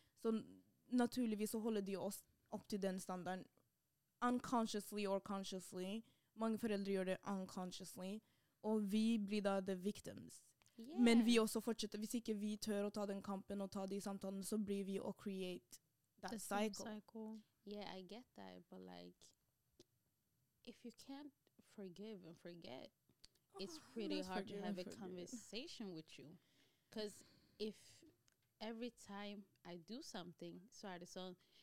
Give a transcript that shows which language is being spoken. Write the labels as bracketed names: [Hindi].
[Swedish] Så naturligtvis så håller de oss upp till den standarden [English] unconsciously or consciously. [Swedish] Många föräldrar gör det unconsciously. Och vi blir då [English] the victims. [Swedish] Men vi också fortsätter. Hvis ikke vi tør att ta den kampen och ta de samtalen, så blir vi och [English] create that the cycle. Yeah, I get that. But like, if you can't forgive and forget, it's pretty hard to have a conversation with you. Because if every time I do something, [Swedish] så är det så.